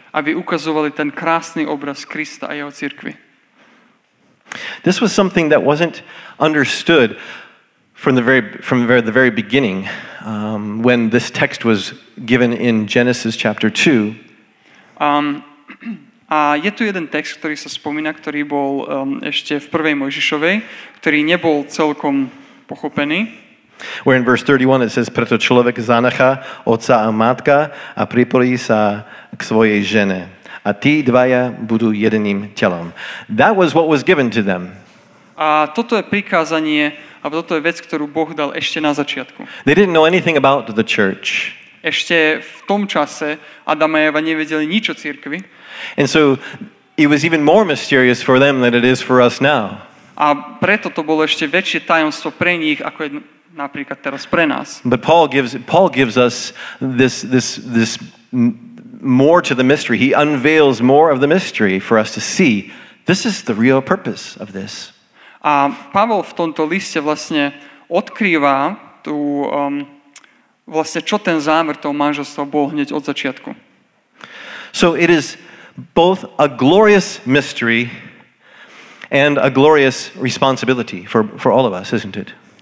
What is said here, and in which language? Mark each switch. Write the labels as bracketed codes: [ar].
[sk] Aby ukazovali ten krásny obraz Krista a jeho cirkvi. [en] This was something that wasn't understood from the very beginning when this text was given in Genesis chapter 2. [sk] A je tu jeden text, ktorý sa spomína, ktorý bol ešte v prvej Mojžišovej, ktorý nebol celkom pochopený. [en] Where in verse 31 it says, [sk] preto človek zanechá otca a matka a pripojí sa k svojej žene. A tí dvaja budú jediným telom. [en] That was what was given to them. [sk] A toto je prikázanie, a toto je vec, ktorú Boh dal ešte na začiatku. [en] They didn't know anything about the church. [sk] Ešte v tom čase Adam a Eva nevedeli nič o cirkvi. [en] And so it was even more mysterious for them than it is for us now. [sk] A preto to bolo ešte väčšie tajomstvo pre nich ako je napríklad teraz pre nás. [en] But Paul gives us this more to the mystery. He unveils more of the mystery for us to see. This is the real purpose of this. [sk] A Pavol v tomto liste vlastne odkrýva tú vlastne čo ten zámer toho manželstva bol hneď od začiatku. [en] So it is both a glorious mystery and a glorious responsibility for all of us, isn't it?